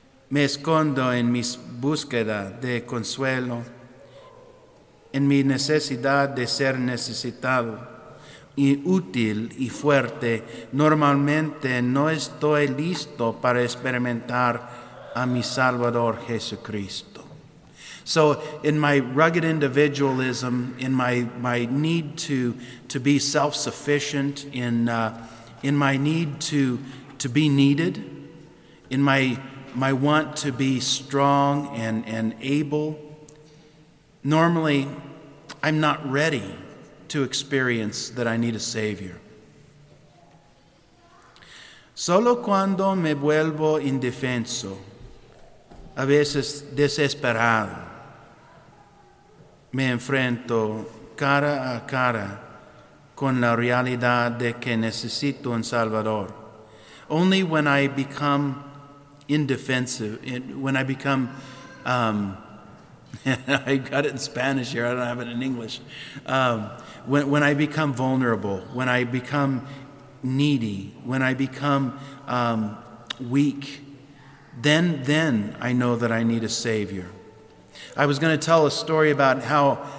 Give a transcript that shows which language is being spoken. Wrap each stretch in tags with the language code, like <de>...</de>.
<es>Me escondo en mi búsqueda de consuelo, en mi necesidad de ser necesitado y útil y fuerte. Normalmente no estoy listo para experimentar a mi Salvador Jesucristo.</es> <en>So in my rugged individualism, in my need to be self-sufficient, in my need to be needed, in my want to be strong and able, normally I'm not ready to experience that I need a Savior.</en> <es>Solo cuando me vuelvo indefenso, a veces desesperado, me enfrento cara a cara con la realidad de que necesito un Salvador.</es> <en>Only when I become indefensive, when I become, I got it in Spanish here, I don't have it in English. When I become vulnerable, when I become needy, when I become weak, then I know that I need a Savior. I was going to tell a story about how</en>